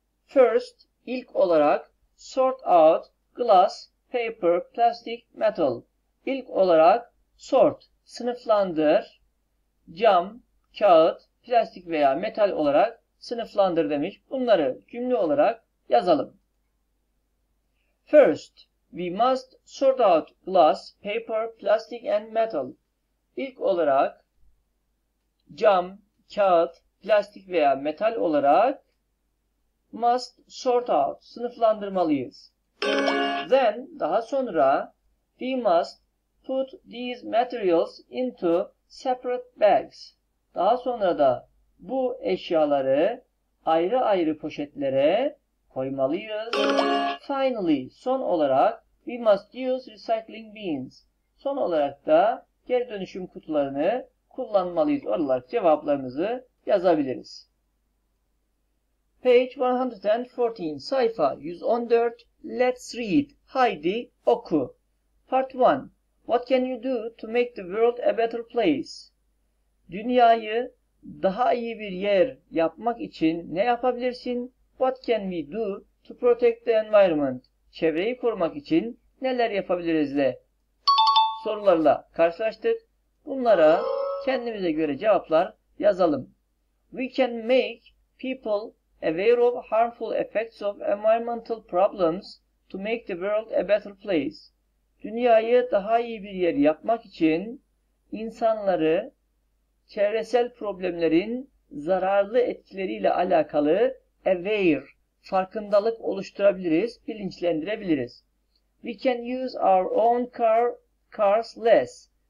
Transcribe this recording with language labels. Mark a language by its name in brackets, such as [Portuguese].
[English] First, [Turkish] ilk olarak [English] sort out glass, paper, plastic, metal. [Turkish] İlk olarak sort, sınıflandır, cam, kağıt, plastik veya metal olarak sınıflandır demiş. Bunları cümle olarak yazalım. [English] First, we must sort out glass, paper, plastic and metal. [Turkish] İlk olarak cam, kağıt, plastik veya metal olarak must sort out, sınıflandırmalıyız. [English] Then, [Turkish] daha sonra [English] we must put these materials into separate bags. [Turkish] Daha sonra da bu eşyaları ayrı ayrı poşetlere koymalıyız. [English] Finally, [Turkish] son olarak [English] we must use recycling bins. [Turkish] Son olarak da geri dönüşüm kutularını kullanmalıyız olarak cevaplarımızı yazabiliriz. [English] Page 114, sayfa 114. Let's read. [Turkish] Haydi oku. Part 1. [English] What can you do to make the world a better place? [Turkish] Dünyayı daha iyi bir yer yapmak için ne yapabilirsin? [English] What can we do to protect the environment? [Turkish] Çevreyi korumak için neler yapabiliriz de? Sorularla karşılaştık. Bunlara kendimize göre cevaplar yazalım. [English] We can make people aware of harmful effects of environmental problems to make the world a better place. [Turkish] Dünyayı daha iyi bir yer yapmak için insanları çevresel problemlerin zararlı etkileriyle alakalı aware, farkındalık oluşturabiliriz, bilinçlendirebiliriz. [English] We can use our own cars less.